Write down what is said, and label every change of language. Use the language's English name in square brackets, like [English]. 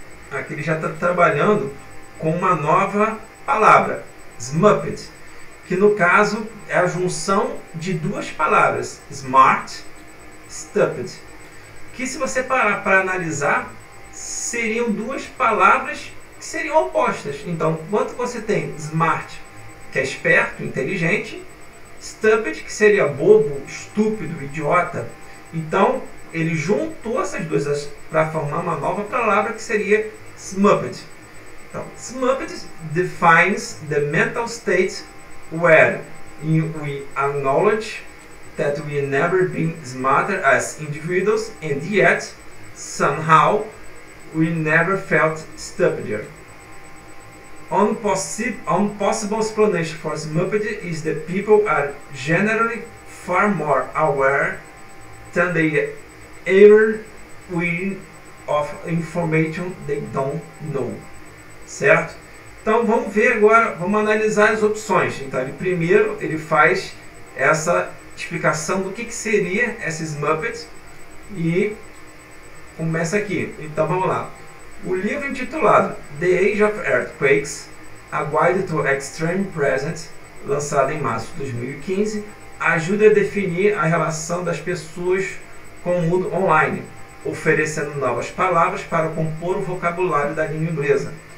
[Portuguese] Aqui ele já está trabalhando com uma nova palavra, smuppet, que no caso é a junção de duas palavras, smart, stupid, que se você parar para analisar, seriam duas palavras que seriam opostas. Então, quanto você tem smart, que é esperto, inteligente, stupid, que seria bobo, estúpido, idiota. Então, ele juntou essas duas para formar uma nova palavra que seria smuppet. [English] Então, smuppet defines the mental state where we acknowledge that we never been smarter as individuals and yet somehow we never felt stupider. One possible explanation for smuppet is that people are generally far more aware than they ever will of information they don't know. [Portuguese] Certo? Então vamos ver agora, vamos analisar as opções. Então, ele primeiro ele faz essa explicação do que seria esses Muppets e começa aqui. Então vamos lá. O livro intitulado The Age of Earthquakes, A Guide to Extreme Present, lançado em março de 2015, ajuda a definir a relação das pessoas com o mundo online, oferecendo novas palavras para compor o vocabulário da língua inglesa.